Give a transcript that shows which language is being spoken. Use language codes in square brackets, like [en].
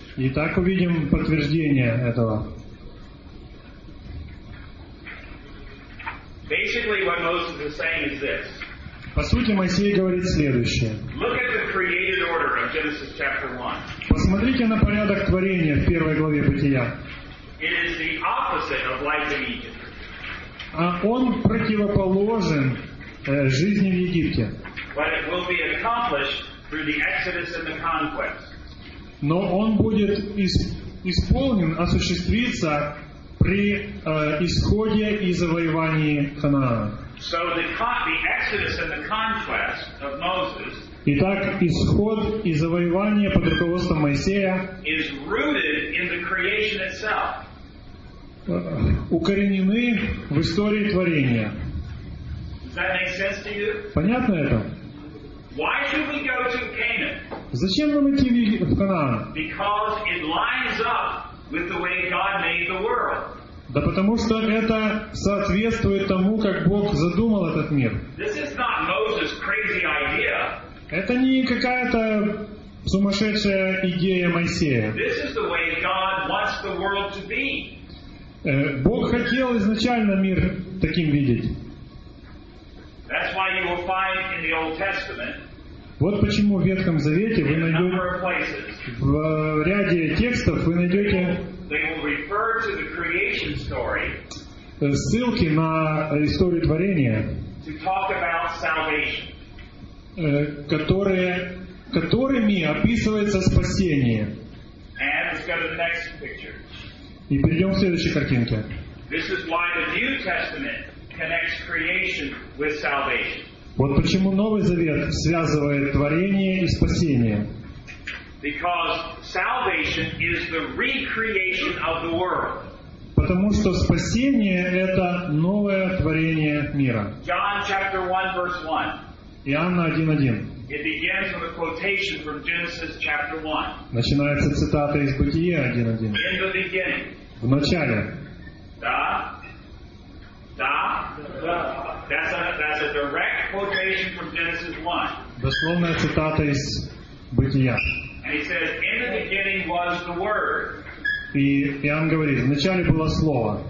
[ru] Итак, увидим подтверждение этого. [en] Basically, what Moses is saying is this. [ru] По сути, Моисей говорит следующее. [en] Look at the created order of Genesis chapter 1. [ru] Посмотрите на порядок творения в первой главе Бытия. [en] It is the opposite of life in Egypt. [ru] А он противоположен жизни в Египте. [en] But it will be accomplished through the Exodus and the conquest. [ru] Но он будет исполнен, осуществиться при исходе и завоевании Ханаана. [en] So the Exodus and the conquest of Moses. [ru] Итак, исход и завоевание под руководством Моисея [en] is rooted in the creation itself. [ru] Укоренены в истории творения. [en] Does that make sense to you? [ru] Понятно это? [en] Why should we go to Canaan? [ru] Зачем нам идти в Ханаан? [en] Because it lines up with the way God made the world. [ru] Да потому что это соответствует тому, как Бог задумал этот мир. [en] This is not Moses' crazy idea. [ru] Это не какая-то сумасшедшая идея Моисея. [en] This is the way God wants the world to be. [ru] Бог хотел изначально мир таким видеть. [en] That's why you will find in the Old Testament. [ru] Вот почему в Ветхом Завете вы найдете в ряде текстов вы найдете [en] they will refer to the creation story [ru] ссылки на историю творения, [en] to talk about salvation. [ru] Которыми описывается спасение. [en] And let's go to the next picture. [ru] И перейдем к следующей картинке. [en] This is why the New Testament connects creation with salvation. [ru] Вот почему Новый Завет связывает творение и спасение. [en] Because salvation is the recreation of the world. [ru] Потому что спасение — это новое творение мира. [en] John chapter 1, verse 1. [ru] Иоанна 1:1. [en] It begins with a quotation from Genesis chapter 1. [ru] Начинается цитата из Бытия 1:1. [en] In the beginning. [ru] В начале. Да. Да. [en] That's a direct quotation from Genesis 1. [ru] Дословная цитата из Бытия. [en] And he says, in the beginning was the Word. [ru] И Иоанн говорит, в начале было Слово.